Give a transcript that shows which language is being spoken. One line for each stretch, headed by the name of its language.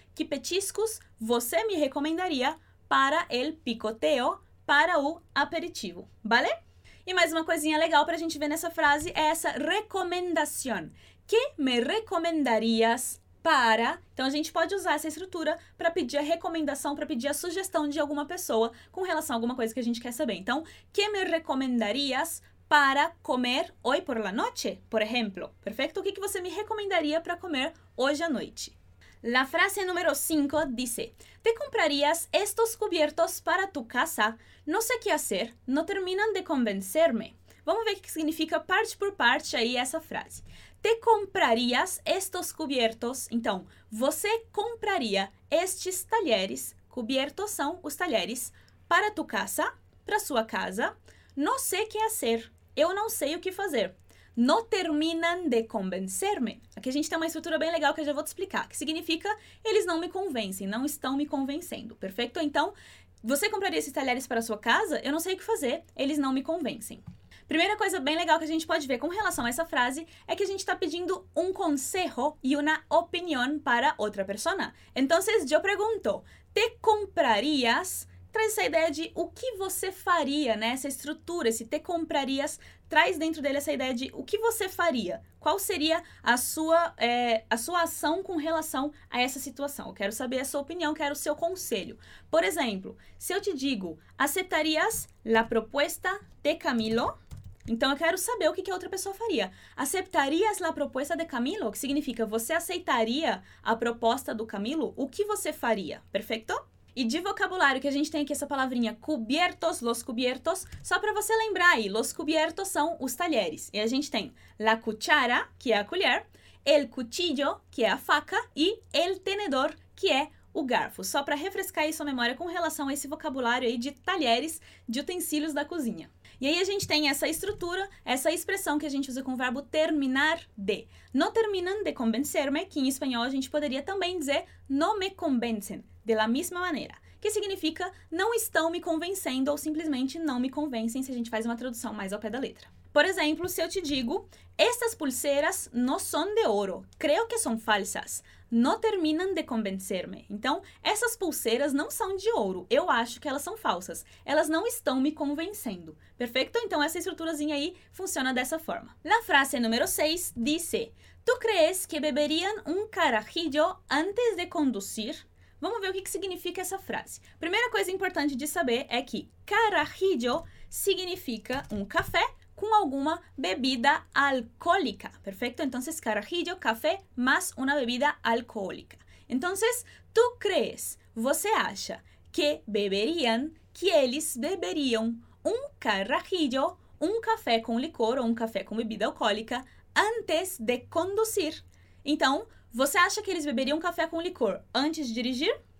Portuguese: Que petiscos você me recomendaria
Spanish: para el picoteo,
Portuguese: para o aperitivo, vale? E mais uma coisinha legal para a gente ver nessa frase é essa recomendação.
Spanish: Que me recomendarías para...
Portuguese: Então, a gente pode usar essa estrutura para pedir a recomendação, para pedir a sugestão de alguma pessoa com relação a alguma coisa que a gente quer saber. Então,
Spanish: que me recomendarías para comer hoy por la noche, por ejemplo. Perfecto.
Portuguese: O que você me recomendaria para comer hoje à noite?
Spanish: La frase número 5 dice, ¿te comprarías estos cubiertos para tu casa? No sé qué hacer, no terminan de convencerme.
Portuguese: Vamos ver o que significa parte por parte aí essa frase.
Spanish: ¿Te comprarías estos cubiertos?
Portuguese: Então, você compraria estes talheres, cubiertos são os talheres,
Spanish: para tu casa,
Portuguese: para sua casa.
Spanish: No sé qué hacer.
Portuguese: Eu não sei o que fazer.
Spanish: No terminan de convencerme.
Portuguese: Aqui a gente tem uma estrutura bem legal que eu já vou te explicar. Que significa, eles não me convencem, não estão me convencendo. Perfeito? Então, você compraria esses talheres para a sua casa? Eu não sei o que fazer, eles não me convencem. Primeira coisa bem legal que a gente pode ver com relação a essa frase é que a gente está pedindo um consejo e uma opinião para outra persona. Então, eu pergunto,
Spanish: te comprarias...
Portuguese: Traz essa ideia de o que você faria, né? Essa estrutura, esse te comprarias, traz dentro dele essa ideia de o que você faria. Qual seria a sua ação com relação a essa situação? Eu quero saber a sua opinião, quero o seu conselho. Por exemplo, se eu te digo,
Spanish: aceitarias la propuesta de Camilo?
Portuguese: Então, eu quero saber o que a outra pessoa faria.
Spanish: Aceitarias la propuesta de Camilo?
Portuguese: Que significa, você aceitaria a proposta do Camilo? O que você faria? Perfeito? E de vocabulário que a gente tem aqui essa palavrinha cubiertos, los cubiertos, só para você lembrar aí, los cubiertos são os talheres. E a gente tem la cuchara, que é a colher, el cuchillo, que é a faca, e el tenedor, que é o garfo. Só para refrescar aí sua memória com relação a esse vocabulário aí de talheres, de utensílios da cozinha. E aí a gente tem essa estrutura, essa expressão que a gente usa com o verbo terminar de.
Spanish: No terminan de convencerme,
Portuguese: que em espanhol a gente poderia também dizer
Spanish: no me convencen.
Portuguese: De la mesma maneira, que significa não estão me convencendo ou simplesmente não me convencem, se a gente faz uma tradução mais ao pé da letra. Por exemplo, se eu te digo,
Spanish: estas pulseiras no son de oro, creo que son falsas, no terminan de convencerme.
Portuguese: Então, essas pulseiras não são de ouro, eu acho que elas são falsas, elas não estão me convencendo. Perfeito? Então, essa estruturazinha aí funciona dessa forma.
Spanish: La frase número 6 dice, ¿tú crees que beberían un carajillo antes de conducir?
Portuguese: Vamos ver o que significa essa frase. Primeira coisa importante de saber é que carajillo significa um café com alguma bebida alcoólica. Perfeito? Então, carajillo, café, mais uma bebida alcoólica. Então,
Spanish: tu crees,
Portuguese: você acha que beberiam, que eles beberiam um carajillo, um café com licor ou um café com bebida alcoólica, antes de conduzir. Então, você acha que eles beberiam café com licor antes de dirigir?